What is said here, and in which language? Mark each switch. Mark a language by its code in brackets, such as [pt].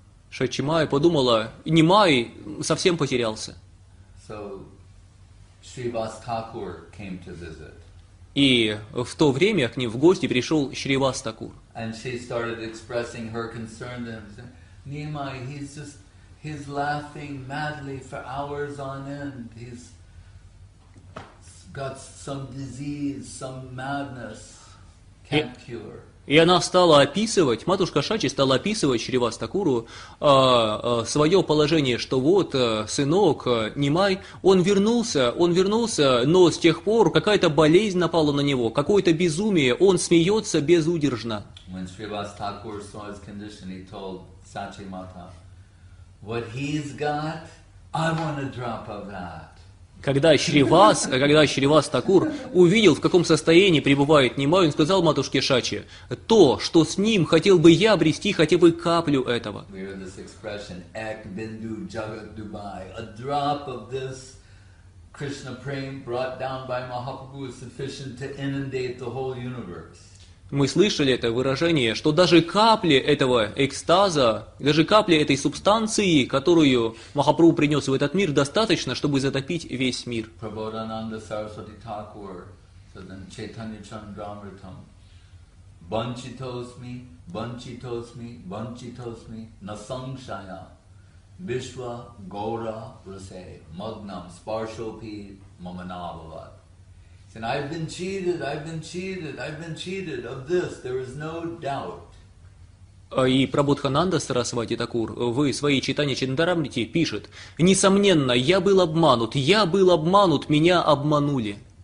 [ru] Шачимай подумала: Нимай совсем потерялся. [en] So, Шривас Такур came to visit. [ru] И в то время к ним в гости пришел Шривас Такур. [en] And she started expressing her concern to him, saying, Nimai, He's laughing madly for hours on end. He's got some disease, some madness, can't cure. [ru] И она стала описывать, матушка Шачи стала описывать Шривастакуру свое положение, что вот сынок Нимай, он вернулся, но с тех пор какая-то болезнь напала на него, какое-то безумие, он смеется безудержно. [en] When Шривастакур saw his condition, he told Сачи Мата, what he's got, I want a drop of that. [ru] Когда Шривас Такур увидел, в каком состоянии пребывает Нимай, он сказал матушке Шачи: то, что с ним, хотел бы я обрести хотя бы каплю этого. [en] We hear this expression, [bn] Ek Bindu Jagat Dubai. [en] A drop of this Krishna Prem brought down by Mahaprabhu is sufficient to inundate the whole universe. [ru] Мы слышали это выражение, что даже капли этого экстаза, даже капли этой субстанции, которую Махапрабху принес в этот мир, достаточно, чтобы затопить весь мир. [sa] Prabodhananda Saraswati Thakur, [en] So then [sa] Chaitanya Charitamritam, Banchitosmi, Banchitosmi, Banchitosmi, Nasangshaya, Vishwa Gaura Rase, Magnam, Sparshopi Mamanabhavat. [en] And I've been cheated, I've been cheated, I've been cheated of this, there is no doubt. [ru] И Прабудхананда Сарасвати Такур в своей Чайтанья Чарамрите пишет: «Несомненно, я был обманут, меня обманули».